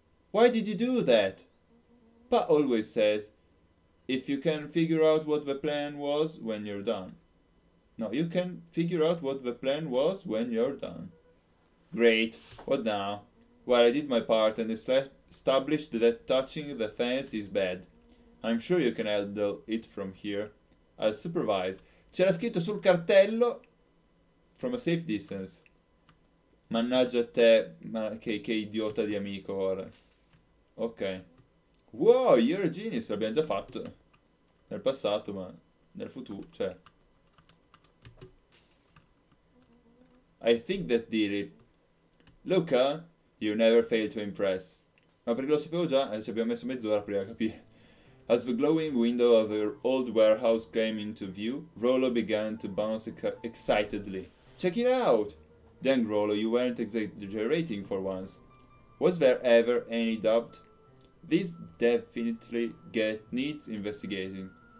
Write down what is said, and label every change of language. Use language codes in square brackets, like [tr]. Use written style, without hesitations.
[en] Why did you do that? Pa always says, if you can figure out what the plan was when you're done. No, you can figure out what the plan was when you're done. Great. What now? Well, I did my part and established that touching the fence is bad. I'm sure you can handle it from here. I'll supervise. [it] C'era scritto sul cartello [en] from a safe distance. [it] Mannaggia te, ma che idiota di amico ora. [en] Ok. Wow, you're a genius, [it] l'abbiamo già fatto. Nel passato, ma nel futuro, cioè. [en] I think that did it. Luca, you never fail to impress. [it] Ma perché lo sapevo già, ci abbiamo messo mezz'ora prima di capire. [en] As the glowing window of the old warehouse came into view, Rollo began to bounce excitedly. Check it out! Dang, Rollo, you weren't exaggerating for once. Was there ever any doubt? This definitely needs investigating.